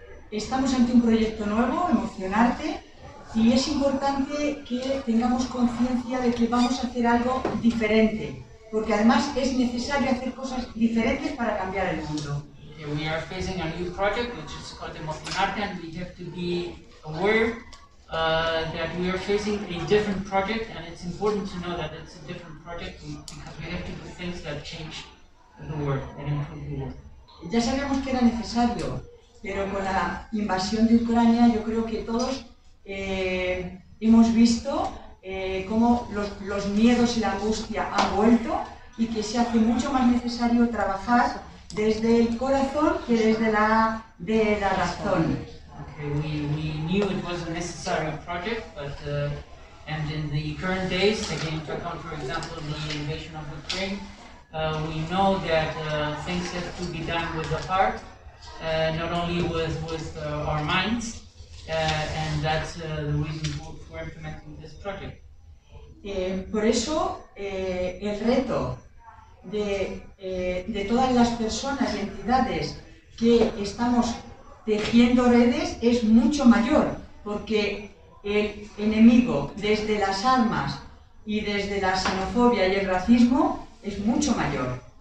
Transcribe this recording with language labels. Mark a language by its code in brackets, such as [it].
[es] Estamos ante un proyecto nuevo, Emocionarte, y es importante que tengamos conciencia de que vamos a hacer algo diferente, porque además es necesario hacer cosas diferentes para cambiar el mundo. [en] We are facing a new project which is called Emocionarte, and we have to be aware that we are facing a different project, and it's important to know that it's a different project because we have to do things that change the world and improve the world. [es] Ya sabíamos que era necesario, pero con la invasión de Ucrania yo creo que todos hemos visto cómo los miedos y la angustia han vuelto, y que se hace mucho más necesario trabajar desde el corazón que desde la razón. [en] Okay, we knew it was a necessary project, but and in the current days, taking into account, for example, the invasion of Ukraine, we know that things have to be done with the heart, not only with our minds, and that's the reason for implementing this project. [es] Por eso el reto de todas las personas y entidades que estamos tejiendo redes es mucho mayor, porque el enemigo desde las armas y desde la xenofobia y el racismo es mucho mayor.